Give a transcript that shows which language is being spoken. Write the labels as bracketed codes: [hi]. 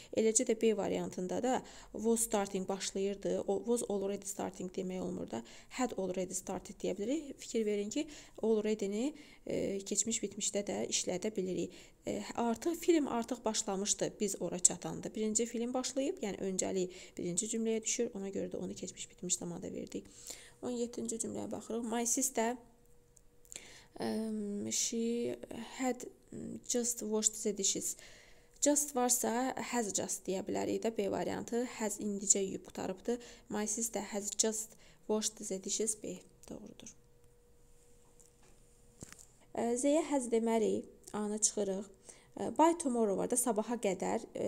[az] Eləcə də B variantında da [en] was starting [az] başlayırdı, [en] was already starting [az] demək olmur da, [en] had already started [az] deyə bilirik. Fikir verin ki, already-ni keçmiş bitmişdə də işlədə bilirik. Artıq film artıq başlamışdı biz ora çatanda. Birinci film başlayıb, yəni öncəli birinci cümləyə düşür, ona görə də onu keçmiş bitmiş zamanda verdik. 17-ci cümləyə baxırıq. [en] My sister she had just washed the dishes. [az] Just varsa has just deyə bilərik də B variantı. Has indicə yub qutarıbdı. [en] My sister has just washed the dishes. [az] B doğrudur. Z-yə has deməli A-nı çıxırıq. [en] By tomorrow [az] var da sabaha qədər.